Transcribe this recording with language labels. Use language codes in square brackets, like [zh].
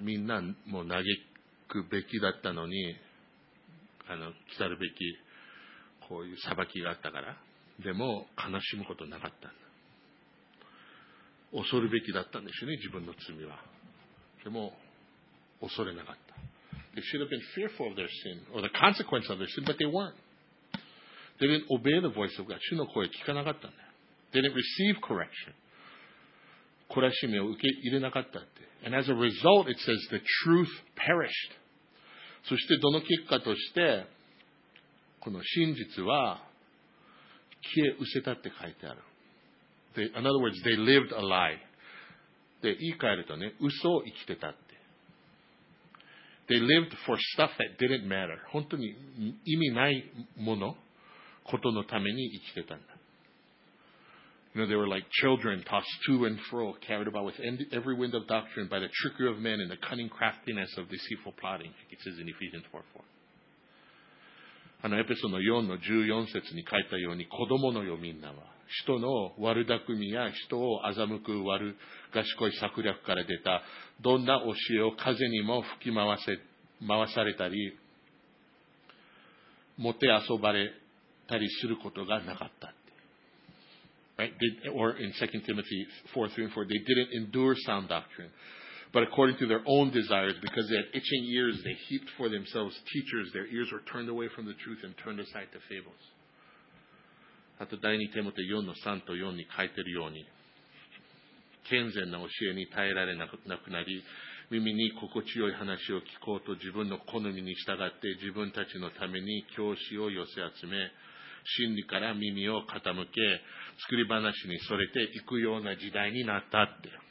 [ja] みんなもう嘆くべきだったのに、来たるべきこういう裁きがあったから、でも悲しむことなかった。恐るべきだったんでしょうね、自分の罪は。でも恐れなかった。 [en] They should have been fearful of their sin or the consequence of their sin, but they weren't. They didn't obey the voice of God. [ja] 主の声聞かなかったんだ。 [en] They didn't receive correction. [ja] 懲らしめを受け入れなかったって。 [en] And as a result, it says the truth perished. [ja] そしてどの結果として、この真実は消え失せたって書いてある。 [en] In other words, they lived a lie. [ja] で、言い換えるとね、嘘を生きてたって。 [en] They lived for stuff that didn't matter. [ja] 本当に意味ないもの、ことのために生きてたんだ。 [en] You know, they were like children tossed to and fro, carried about with every wind of doctrine by the trickery of men and the cunning craftiness of deceitful plotting, like it says in Ephesians 4:4. [ja] あのエペソの4の14節に書いたように、子供のよみんなは、人の悪巧みや人を欺く悪賢い策略から出た、どんな教えを風にも吹き回されたり、もてあそばれたりすることがなかったって。 [en] Right? Or in 2 Timothy 4:3-4, they didn't endure sound doctrine. But according to their own desires, because they had itching ears, they heaped for themselves teachers. Their ears were turned away from the truth and turned aside to fables. [ja] あと第2テモテ4の3と4に書いてるように、健全な教えに耐えられなくなり、耳に心地よい話を聞こうと自分の好みに従って自分たちのために教師を寄せ集め、真理から耳を傾け、作り話にそれていくような時代になったって。